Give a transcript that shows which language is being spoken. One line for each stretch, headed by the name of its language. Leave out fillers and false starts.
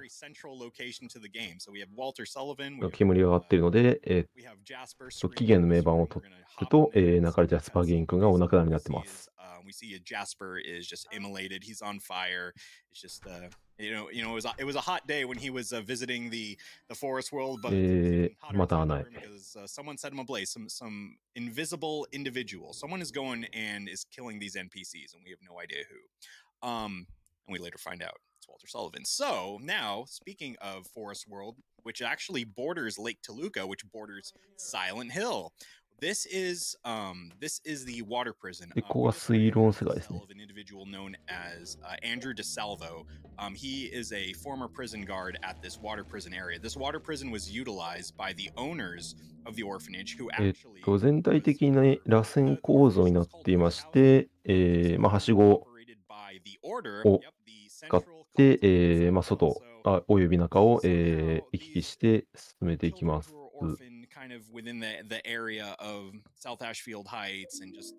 Japanese: 煙が上がっているので、起源の名盤を取ると、中でジャスパー・ゲイン君がお亡くなりになってます。
English: We see Jasper is just immolated. He's on fire. It's just, you know, it was a hot day when he was visiting the forest world, but
Japanese: また穴へ。
English: Someone set him ablaze. Some invisible individual. Someone is going and is killing these NPCs, and we have no idea who. And we later find out it's Walter Sullivan. So now, speaking of forest world, which actually borders Lake Toluca, which borders Silent Hill. This is the water prison. Of an individual known as Andrew DeSalvo. He is a former prison guard at this water prison area. This water prison was utilized by the owners of the orphanage, who actually.
Japanese: 全体的な螺旋構造になっていまして、まあはしごを使って、まあ外および中を、行き来して進めていきます。
English: kind of within the area of South Ashfield Heights and just